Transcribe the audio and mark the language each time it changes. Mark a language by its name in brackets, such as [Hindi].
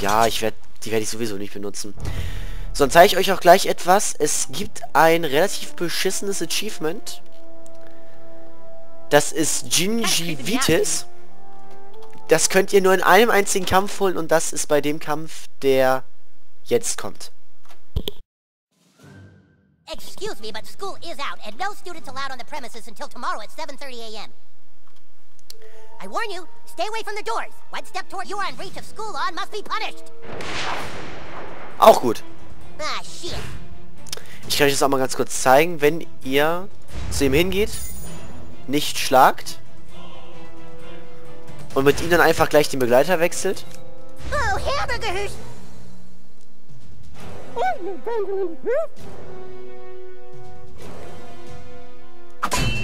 [German] Ja, die werde ich sowieso nicht benutzen. So, dann zeige ich euch auch gleich etwas. Es gibt ein relativ beschissenes Achievement. Das ist Gingivitis. Das könnt ihr nur in einem einzigen Kampf holen und das ist bei dem Kampf, der jetzt kommt. [English] Excuse me, but school is out and no students allowed on the premises until tomorrow at 7:30 a.m. I warn you, stay away from the doors. One step toward you are in breach of school law and must be punished. [German] Auch gut. [English] Ah, shit. [German] Ich kann euch das auch mal ganz kurz zeigen, wenn ihr zu ihm hingeht, nicht schlagt und mit ihm dann einfach gleich den Begleiter wechselt. Oh, Hamburger!